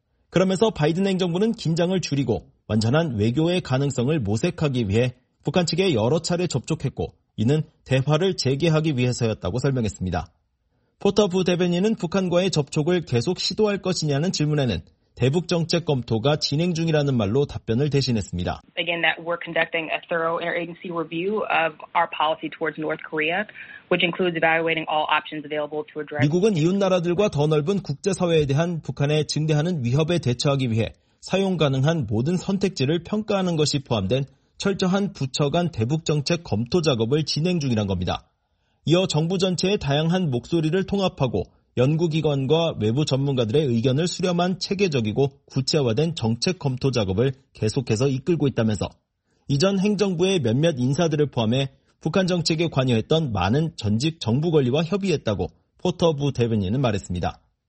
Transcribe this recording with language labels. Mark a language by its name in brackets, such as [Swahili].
[Korean] 그러면서 바이든 행정부는 긴장을 줄이고 완전한 외교의 가능성을 모색하기 위해 북한 측에 여러 차례 접촉했고 이는 대화를 재개하기 위해서였다고 설명했습니다. 포터 부대변인은 북한과의 접촉을 계속 시도할 것이냐는 질문에는 대북 정책 검토가 진행 중이라는 말로 답변을 대신했습니다. [English] Again, that we're conducting a thorough interagency review of our policy towards North Korea, which includes evaluating all options available to address. [Korean] 미국은 이웃 나라들과 더 넓은 국제 사회에 대한 북한의 증대하는 위협에 대처하기 위해 사용 가능한 모든 선택지를 평가하는 것이 포함된 철저한 부처 간 대북 정책 검토 작업을 진행 중이란 겁니다. 이어 정부 전체의 다양한 목소리를 통합하고 연구기관과 외부 전문가들의 의견을 수렴한 체계적이고 구체화된 정책 검토 작업을 계속해서 이끌고 있다면서 이전 행정부의 몇몇 인사들을 포함해 북한 정책에 관여했던 많은 전직 정부 관리와 협의했다고 포터 부 대변인은 말했습니다.